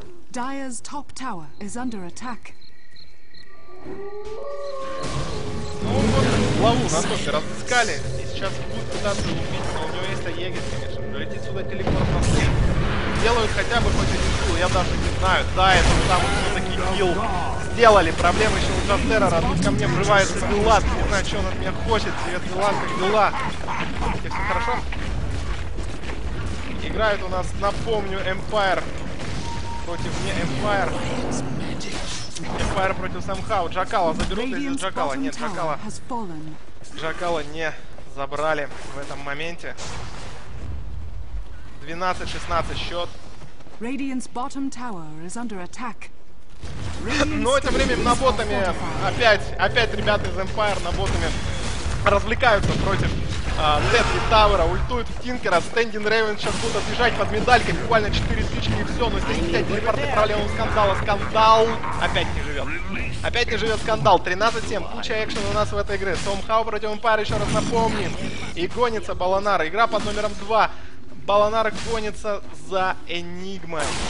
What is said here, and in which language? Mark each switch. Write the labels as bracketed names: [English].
[English] Dire's top tower is under attack. [Russian] Ну вот, Лаву на топе разыскали. И сейчас будут пытаться убить, но у него есть Аегис, конечно. Долетит сюда телепорт на стрим. Делают хотя бы хоть один килл, я даже не знаю. Да, это там все-таки килл сделали. Проблема еще у Джастерера. Тут ко мне врывается Билат. Не знаю, что он от меня хочет. Привет, Билат, как дела? Тебе все хорошо? Играют у нас, напомню, Empire. Против не Empire. Empire против Somehow. Джакала заберут или нет Джакала? Нет, Джакала. Джакала не забрали в этом моменте. 12-16 счет. [English] Radiant's bottom tower is under attack. [Russian] Но это время на ботами опять ребята из Empire на ботами развлекаются против Летли Тауэра, ультует в Тинкера, Стэндин Рэйвен сейчас будут отъезжать под медалькой, буквально 4 стычки и все, но здесь 5 телепорты, проблема у Скандала, Скандал опять не живет Скандал, 13-7, куча экшена у нас в этой игре, Somehow против Empire, еще раз напомним, и гонится Баланара, игра под номером 2, Баланара гонится за Энигмой.